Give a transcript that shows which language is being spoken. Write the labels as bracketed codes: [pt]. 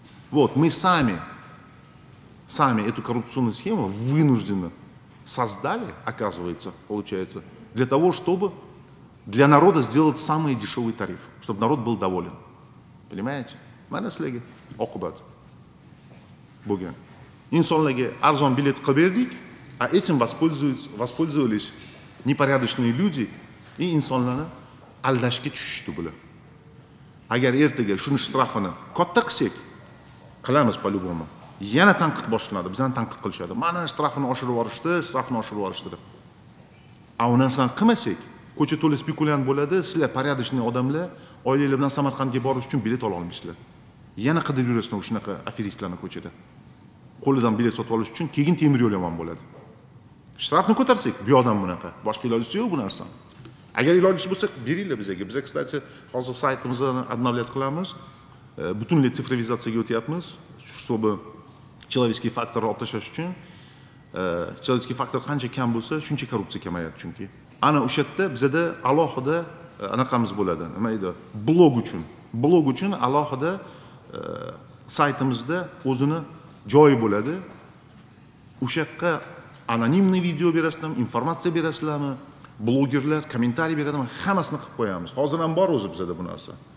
[ru] Вот, мы сами эту коррупционную схему вынуждены создали, оказывается, получается, для того, чтобы для народа сделать самый дешевый тариф, чтобы народ был доволен. Понимаете? [uz] Mana sizlarga oqibat. Bo'lgan. Insonlarga arzon bilet qilib berdik, [ru] а этим воспользовались непорядочные люди [uz] и insonlarni aldashga tushishdi bular. Agar ertaga shuni shtrafini katta qilsak, qilamiz palubomi. Yana tanqid boshlanadi, bizdan tanqid qilishadi. Mana shtrafini oshirib yuborishdi, shtrafini oshirib yuborishdi deb. A u narsani qilmasak, ko'cha to'la spekulyant bo'ladi, sizlar porядочный odamlar, oilangiz bilan Samarqandga borish uchun bilet ola olmaysizlar. Yana qidirib yurasizlar o'shunaqa aferistlarni ko'chada. Qo'lidan bilet sotib olish uchun keyin temir yo'l yomon bo'ladi. Shtrafni ko'tarsak, bu odam bunaqa, boshqa ilojisi yo'q bu narsadan. Agar ilojingiz bo'lsa, beringlar bizga. Biz, kстати, hozir saytimizni obnovlyat qilamiz. Butunlay sifrovizatsiyaga o'tyapmiz. Shu hisobi человеческий фактор o'tishish uchun человеческий фактор qancha kam bo'lsa, shuncha korrupsiya kamayadi chunki. Ana o'sha yerda bizda alohida anaqamiz bo'ladi. Nima edi? Blog uchun. Blog uchun alohida saytimizda o'zini joyi bo'ladi. O'sha yerga anonimni video berasizmi, informatsiya berasizmi? Blogerlar kommentariy beradimi, hammasini qilib qo'yamiz. Hozir ham bor o'zi bizda bu narsa.